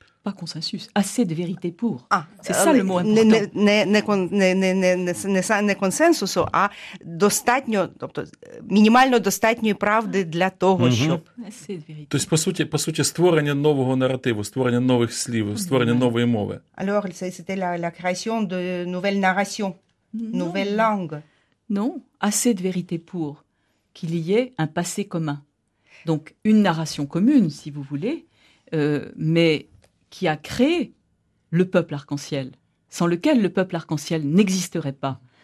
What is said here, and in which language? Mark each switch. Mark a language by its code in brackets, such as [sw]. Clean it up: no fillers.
[fr] Pas consensus, assez de vérité pour. Ah, c'est ça le mot important. [uk] Не консенсусу, а достатньо, тобто мінімально достатньої правди для того, щоб. Тобто, по суті, створення нового наративу, створення нових слів, створення нової мови. [fr] Alors, c'était la création de nouvelle narration, nouvelle langue. Non, assez de vérité pour qu'il y ait un passé commun. Donc, une narration commune, si vous voulez, mais qui a créé le peuple arc-en-ciel, sans lequel le peuple arc-en-ciel n'existerait pas.